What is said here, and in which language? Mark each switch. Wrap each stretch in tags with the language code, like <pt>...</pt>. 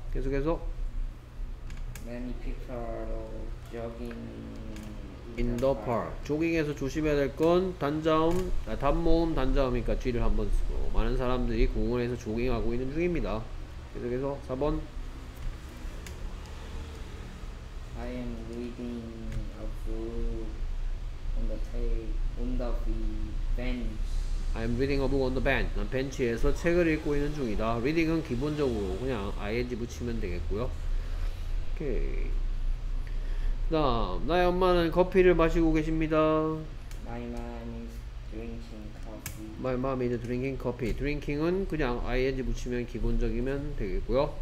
<ko>계속해서</ko> <en>Many people are jogging in the park.</en> <ko>조깅에서 조심해야 될 건 단자음, 단모음 단자음이니까 뒤를 한번 쓰고 많은 사람들이 공원에서 조깅하고 있는 중입니다. 계속해서 4번.</ko> <en>I am reading a book on the table on the bench. I am reading a book on the bench.</en> <ko>난 벤치에서 책을 읽고 있는 중이다. Reading은 기본적으로 그냥 ing 붙이면 되겠고요. 오케이. 다음 나의 엄마는 커피를 마시고 계십니다.</ko> <en>My mom is drinking coffee. My mom is drinking coffee. Drinking은</en> <ko>그냥 ing 붙이면 기본적이면 되겠고요.</ko>